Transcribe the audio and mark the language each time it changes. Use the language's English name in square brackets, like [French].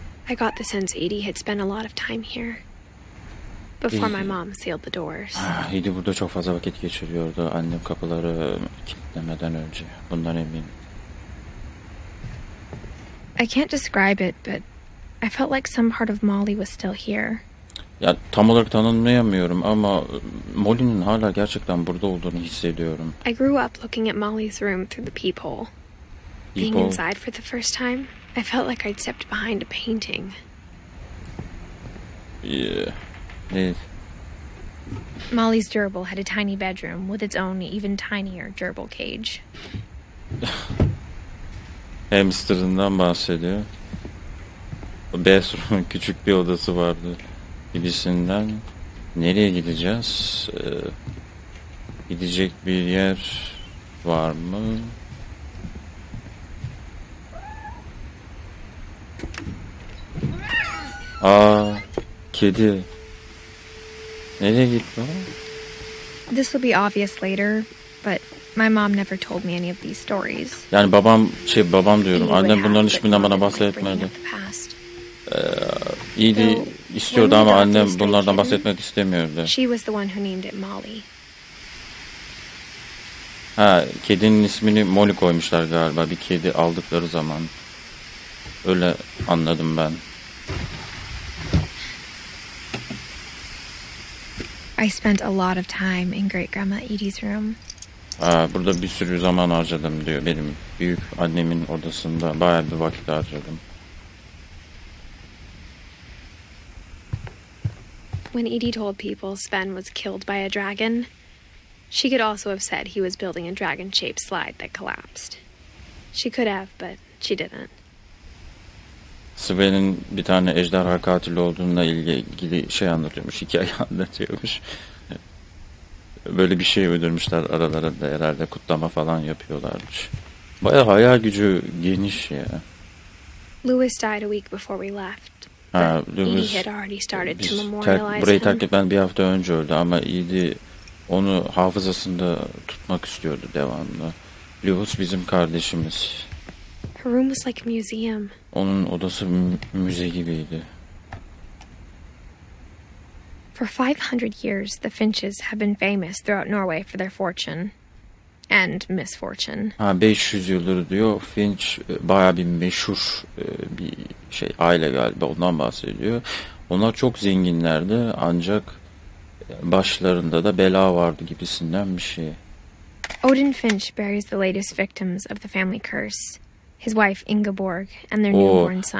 [English] I got the sense Edie had spent a lot of time here before my mom sealed the doors. [Turkish] Edie burada çok fazla vakit geçiriyordu annem kapıları kilitlemeden önce. Bundan eminim. [English] I can't describe it, but I felt like some part of Molly was still here. [Turkish] Ya tam olarak tanımlayamıyorum ama Molly'nin hala gerçekten burada olduğunu hissediyorum. [English] I grew up looking at Molly's room through the peephole. Being inside for the first time, I felt like I'd stepped behind a painting. Yeah. [Turkish] Evet. [English] Molly's gerbil had a tiny bedroom with its own even tinier gerbil cage. [Turkish] Hamster'ından bahsediyor. Bathroom, küçük bir odası vardı gibisinden. Nereye gideceğiz? Gidecek bir yer var mı? Aa, kedi. Nereye gitti o? [English] This will be obvious later, but my mom never told me any of these stories. [Turkish] Yani babam, şey babam diyorum. Annem bunların hiçbirinden bana bahsetmedi. Edie istiyordu ama annem bunlardan bahsetmek istemiyordu. [English] She was the one who named it Molly. [Turkish] Ha, kedinin ismini Molly koymuşlar galiba bir kedi aldıkları zaman. Öyle anladım ben. [English] I spent a lot of time in great grandma Edie's room. [Turkish] Ha, burada bir sürü zaman harcadım diyor, benim büyük annemin odasında bayağı bir vakit harcadım. [English] when Edie told people Sven was killed by a dragon, she could also have said he was building a dragon-shaped slide that collapsed. She could have, but she didn't. [Turkish] Sven'in bir tane ejderha katili olduğuna ilgili şey anlatıyormuş, hikaye anlatıyormuş. Böyle bir şey uydurmuşlar aralarında, herhalde kutlama falan yapıyorlarmış. Bayağı hayal gücü geniş ya. [English] Lewis died a week before we left. [Turkish] Ha, Lewis, [English] Edie had already started to memorialize him. [Turkish] Burayı takriben bir hafta önce öldü ama Edie onu hafızasında tutmak istiyordu devamlı. Lewis bizim kardeşimiz. [English] Her room was like a museum. [Turkish] Onun odası müze gibiydi. [English] For 500 years, the Finches have been famous throughout Norway for their fortune and misfortune. [Turkish] Ha, 500 yıldır diyor. Finch bayağı bir meşhur bir şey, aile galiba, ondan bahsediyor. Onlar çok zenginlerdi ancak başlarında da bela vardı gibisinden bir şey. [English] Odin Finch buries the latest victims of the family curse. His wife Ingeborg and their newborn son.